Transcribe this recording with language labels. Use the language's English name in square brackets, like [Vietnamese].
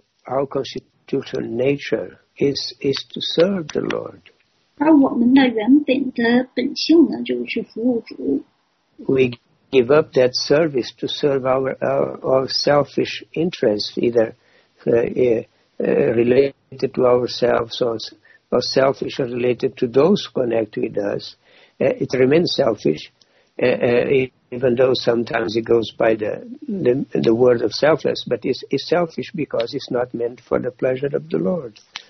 [English] Our constitutional nature is to serve the Lord. [Chinese] 而我们的原本的本性呢，就是去服务主。 [English] We give up that service to serve our selfish interests, either related to ourselves or selfish or related to those connect with us. It remains selfish, even though sometimes it goes by the word of selfless, but it's selfish because it's not meant for the pleasure of the Lord.